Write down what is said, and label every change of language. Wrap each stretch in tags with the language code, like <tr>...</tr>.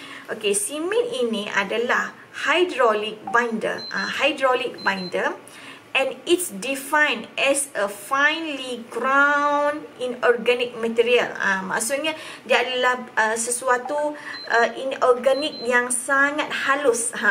<ms>Okey, simen ini adalah hydraulic binder.</ms> <en>Hydraulic binder, and it's defined as a finely ground inorganic material.</en> <ms>Maksudnya dia adalah sesuatu inorganic yang sangat halus.</ms>